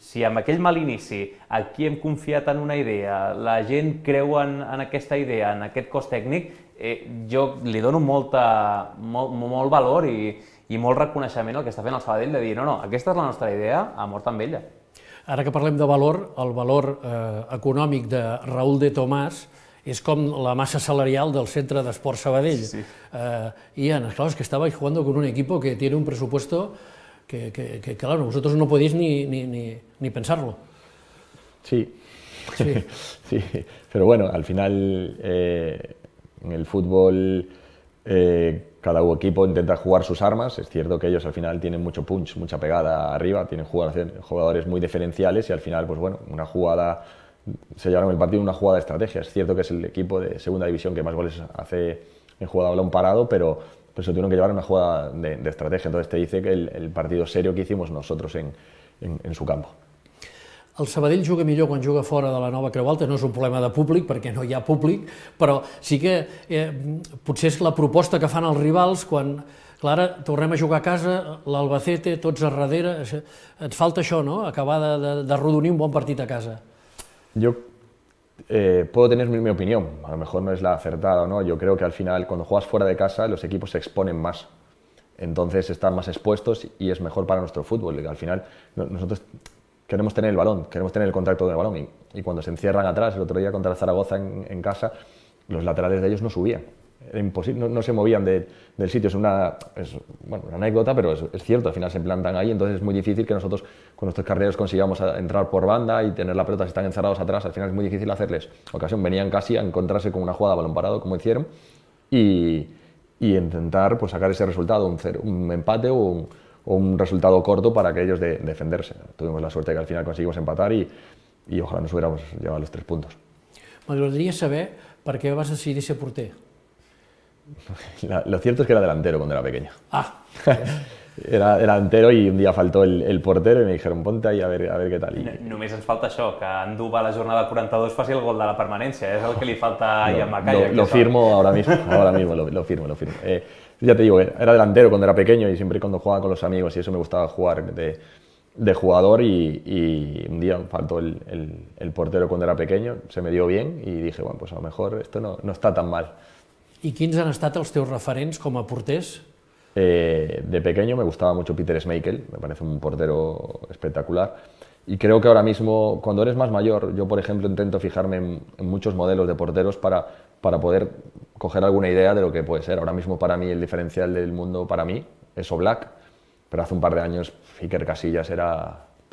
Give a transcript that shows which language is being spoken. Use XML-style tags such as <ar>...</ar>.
<ca>Si amb aquell mal inici aquí hem confiat en una idea, la gent creu en aquesta idea, en aquest cos tècnic, jo li dono molt valor i molt reconeixement al que està fent el Sabadell de dir no, aquesta és la nostra idea, a mort amb ella. Ara que parlem de valor, el valor econòmic de Raúl de Tomàs és com la massa salarial del Centre d'Esport Sabadell. Sí.</ca> <es>Ian,</es> <ca>clar, és que estava</ca> <es>jugando con un equipo que tiene un presupuesto que claro, vosotros no podéis ni pensarlo. Sí. Sí. Sí. Pero bueno, al final, en el fútbol, cada equipo intenta jugar sus armas. Es cierto que ellos al final tienen mucho punch, mucha pegada arriba, tienen jugadores muy diferenciales y al final, pues bueno, una jugada... Se llevaron el partido en una jugada de estrategia. Es cierto que es el equipo de segunda división que más goles hace en jugada a balón parado, pero se tuvieron que llevar una jugada de estrategia. Entonces te dice que el partido serio que hicimos nosotros en su campo.</es> <ca>El Sabadell juga millor quan juga fora de la nova Creu Alta, no és un problema de públic, perquè no hi ha públic, però sí que potser és la proposta que fan els rivals quan, clar, tornem a jugar a casa, l'Albacete, tots a darrere, et falta això, no? Acabar de rodonir un bon partit a casa.</ca> <es>Yo puedo tener mi opinión, a lo mejor no es la acertada, ¿no? Yo creo que al final cuando juegas fuera de casa los equipos se exponen más, entonces están más expuestos y es mejor para nuestro fútbol. Al final nosotros queremos tener el balón, queremos tener el contacto del balón y cuando se encierran atrás, el otro día contra Zaragoza en casa, los laterales de ellos no subían, era imposible, no se movían del sitio. Es una anécdota, pero es cierto, al final se plantan ahí, entonces es muy difícil que nosotros con nuestros carrileros consigamos entrar por banda y tener la pelota, si están encerrados atrás, al final es muy difícil hacerles ocasión. Venían casi a encontrarse con una jugada balón parado, como hicieron, y intentar pues, sacar ese resultado, un empate o un resultado corto para que ellos defenderse. Tuvimos la suerte que al final conseguimos empatar y ojalá nos hubiéramos llevado los 3 puntos.</es> <ca>M'agradaria saber per què vas decidir ser porter.</ca> <es>Lo cierto es que era delantero cuando era pequeño. Ah. Era delantero</es> <ca>i un dia</ca> <es>faltó el portero i me dijeron, ponte ahí a ver què tal.</es> <ca>Només ens falta això, que Anduba a la jornada 42 faci el gol de la permanència, és el que li falta ahí a Macaya.</ca> <es>Lo firmo ahora mismo, lo firmo. Ya te digo, era delantero cuando era pequeño y siempre cuando jugaba con los amigos y eso me gustaba jugar de jugador y un día faltó el portero cuando era pequeño, se me dio bien y dije, bueno, pues a lo mejor esto no está tan mal.</es> <ca>¿Y quins han estat els teus referents com a porters?</ca> <es>De pequeño me gustaba mucho Peter Schmeichel, me parece un portero espectacular. Y creo que ahora mismo, cuando eres más mayor, yo por ejemplo intento fijarme en muchos modelos de porteros para poder coger alguna idea de lo que puede ser. Ahora mismo para mí el diferencial del mundo para mí es Oblak, pero hace un par de años Iker Casillas era...</es>